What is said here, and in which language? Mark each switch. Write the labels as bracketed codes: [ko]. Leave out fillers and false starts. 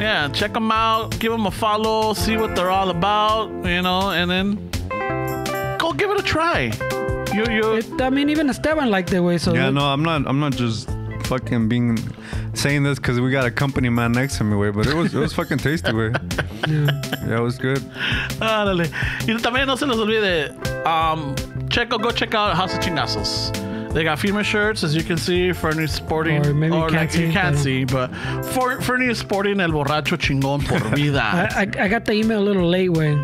[en] Yeah, check them out. Give them a follow. See what they're all about, you know, and then go give it a try. Even Esteban liked it, way. So yeah, no, I'm not just fucking being saying this because we got a company man next to me, way. But it was fucking tasty, way. Yeah, it was good. [es] Ah, dale. Y también no se nos olvide, [en] go check out House of Chingazos. They got female shirts, as you can see, Fernie Sporting, or you can't see, but Fernie Sporting El Borracho Chingón por Vida. I got the email a little late, when.